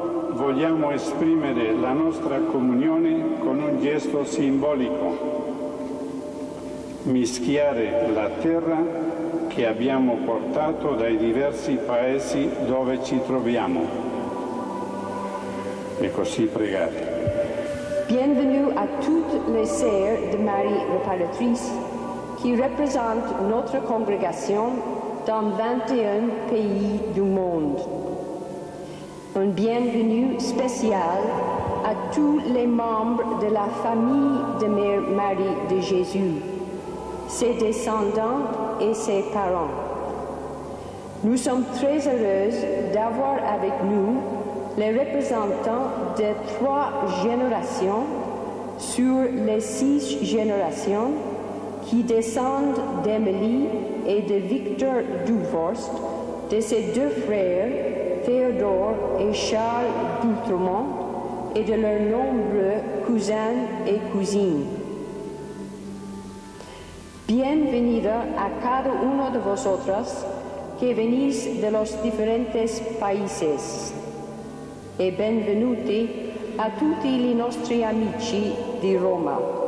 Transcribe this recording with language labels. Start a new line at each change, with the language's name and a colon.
Italian: Vogliamo esprimere la nostra comunione con un gesto simbolico, mischiare la terra che abbiamo portato dai diversi paesi dove ci troviamo. E così pregare.
French: Bienvenue à toutes les sœurs de Marie Réparatrice qui représentent notre congrégation dans 21 pays du monde. Un bienvenue spécial à tous les membres de la famille de Mère Marie de Jésus, ses descendants et ses parents. Nous sommes très heureuses d'avoir avec nous les représentants de trois générations sur les six générations qui descendent d'Émilie et de Victor Duvorst, de ses deux frères Théodore et Charles d'Outremont et de leurs nombreux cousins et cousines.
Spanish: Bienvenida a cada uno de vosotros que venís de los diferentes países.
Italian: E benvenuti a tutti i nostri amici di Roma.